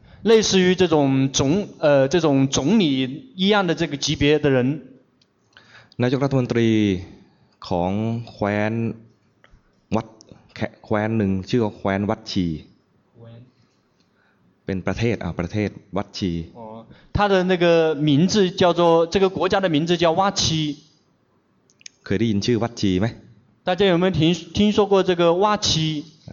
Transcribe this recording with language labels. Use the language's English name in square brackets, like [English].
[Chinese] 类似于这种总这种总理一样的这个级别的人 [Thai] นายกรัฐมนตรีของแคว้นวัดแคว้นหนึ่งชื่อว่าแคว้นวัดชีเป็นประเทศประเทศวัดชี [Chinese] 他的那个名字叫做这个国家的名字叫瓦齐 [Thai] เคยได้ยินชื่อวัดชีไหม [Chinese] 大家有没有听说过这个瓦齐